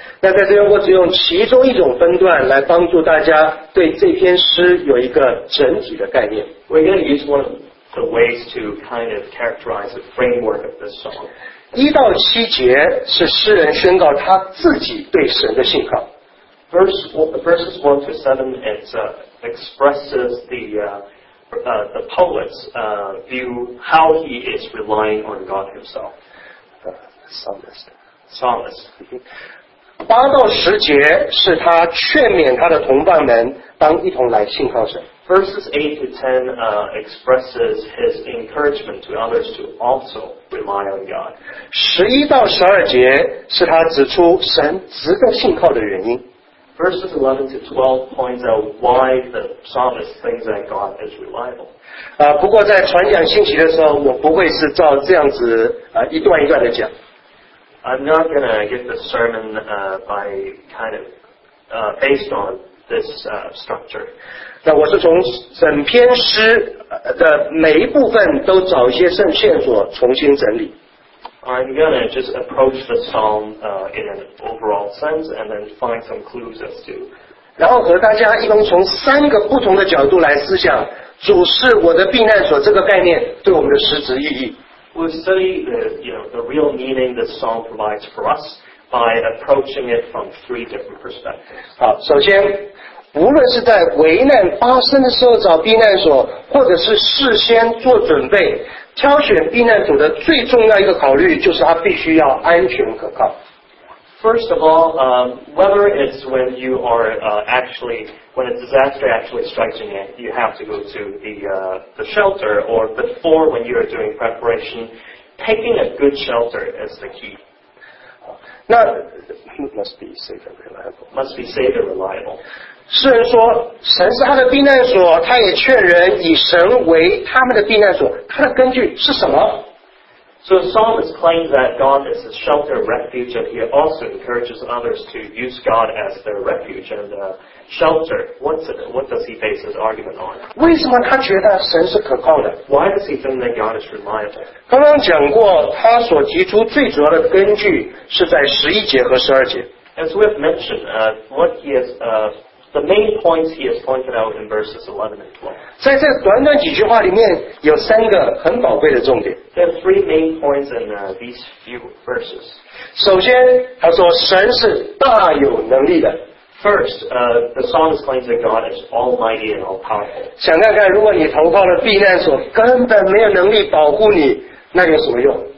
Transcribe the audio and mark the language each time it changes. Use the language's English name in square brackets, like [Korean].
[Chinese] 那在这边我只用其中一种分段来帮助大家对这篇诗有一个整体的概念。 [English] We're going to use one of the ways to kind of characterize the framework of this song. [Chinese] 一到七节是诗人宣告他自己对神的信号。 [English] Verses 1 to 7 it expresses the the poets view how he is relying on God himself. The psalmist. Psalmist. [Chinese] 八到十节是他劝勉他的同伴们当一同来信靠神。 [English] Verses 8 to 10 expresses his encouragement to others to also rely on God. [Chinese] 11到12节是他指出神值得信靠的原因。 [English] Verses 11 to 12 points out why the psalmist thinks that God is reliable. [Chinese] 不过在传讲信息的时候我不会是照这样子一段一段的讲。 [English] I'm not going to give the sermon by kind of based on this structure. [Chinese] 那我是从整篇诗的每一部分都找一些圣线索重新整理。 [English] I'm going to just approach the psalm in an overall sense and then find some clues as to. [Chinese] 然后和大家一同从三个不同的角度来思想主是我的避难所这个概念对我们的实质意义。 [English] We'll study the, you know, the real meaning the psalm provides for us by approaching it from three different perspectives. [Chinese] 好，首先，无论是在危难发生的时候找避难所，或者是事先做准备，挑选避难所的最重要一个考虑就是它必须要安全可靠。 [English] First of all, whether it's when you are actually, when a disaster actually strikes you, you have to go to the shelter, or before when you are doing preparation, taking a good shelter is the key. Now, must be safe and reliable. Must be safe and reliable. [Chinese] 诗人说，神是他的避难所，他也劝人以神为他们的避难所，他的根据是什么？ [English] So the psalmist claims that God is a shelter and refuge, and he also encourages others to use God as their refuge and shelter. What does he base his argument on? [Chinese] 为什么他觉得神是可靠的? [English] Why does he think that God is reliable? [Chinese] 刚刚讲过,他所提出最主要的根据是在11节和12节。 [English] As we have mentioned, the main points he has pointed out in verses 11 and 12. [Chinese] 在这短短几句话里面有三个很宝贵的重点。 [English] There are three main points in these few verses. [Chinese] 首先他说神是大有能力的。 [English] First, the psalmist claims that God is almighty and all powerful. [Chinese] 想看看如果你投靠了避难所根本没有能力保护你那有什么用。